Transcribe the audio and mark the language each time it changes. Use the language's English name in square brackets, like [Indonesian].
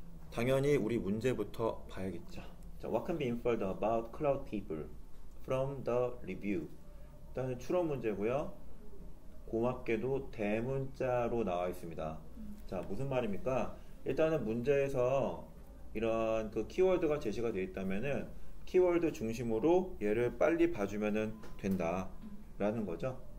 [Korean] 당연히 우리 문제부터 봐야겠죠. [English] 자, What can be inferred about cloud people from the review? [Korean] 일단은 추론 문제고요. 고맙게도 대문자로 나와 있습니다. 자, 무슨 말입니까? 일단은 문제에서 이런 그 키워드가 제시가 되어 있다면은 키워드 중심으로 얘를 빨리 봐주면은 된다라는 거죠.